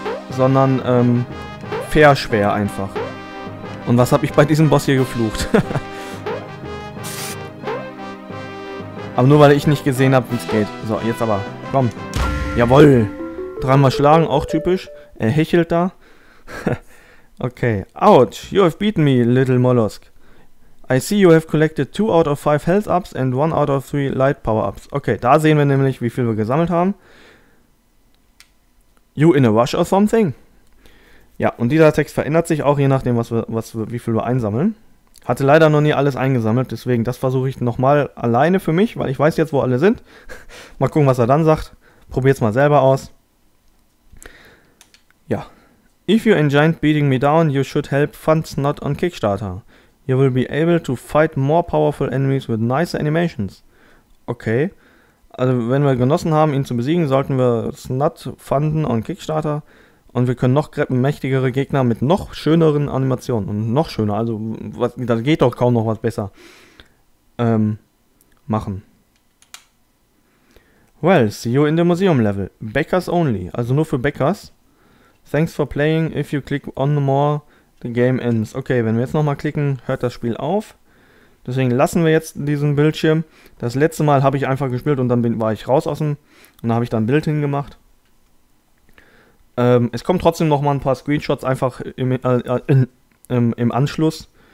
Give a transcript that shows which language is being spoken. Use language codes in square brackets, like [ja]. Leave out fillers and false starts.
[de] Sondern, fair schwer einfach. Und was habe ich bei diesem Boss hier geflucht? Aber nur weil ich nicht gesehen habe, wie es geht. So, jetzt aber. Komm. Jawoll. Dreimal schlagen, auch typisch. Er hechelt da. [en] Okay. Ouch, you have beaten me, little mollusk. I see you have collected 2 out of 5 health ups and 1 out of 3 light power ups. [de] Okay, da sehen wir nämlich, wie viel wir gesammelt haben. [en] You in a rush or something? [de] Ja, und dieser Text verändert sich auch, je nachdem, wie viel wir einsammeln. Hatte leider noch nie alles eingesammelt, deswegen das versuche ich nochmal alleine für mich, weil ich weiß jetzt, wo alle sind. Mal gucken, was er dann sagt. Probiert's mal selber aus. Ja. [en] If you enjoyed beating me down, you should help funds not on Kickstarter. You will be able to fight more powerful enemies with nicer animations. Okay. [de] Also wenn wir genossen haben, ihn zu besiegen, sollten wir Snot funden [en] on Kickstarter. [de] Und wir können noch mächtigere Gegner mit noch schöneren Animationen. Und noch schöner, also da geht doch kaum noch was besser. Machen. [en] Well, see you in the museum level. Backers only, [de] also nur für Backers. [en] Thanks for playing, if you click on more, the game ends. [de] Okay, wenn wir jetzt nochmal klicken, hört das Spiel auf. Deswegen lassen wir jetzt diesen Bildschirm. Das letzte Mal habe ich einfach gespielt und dann war ich raus aus dem... Und da habe ich dann ein Bild hingemacht. Es kommen trotzdem nochmal ein paar Screenshots einfach im Anschluss.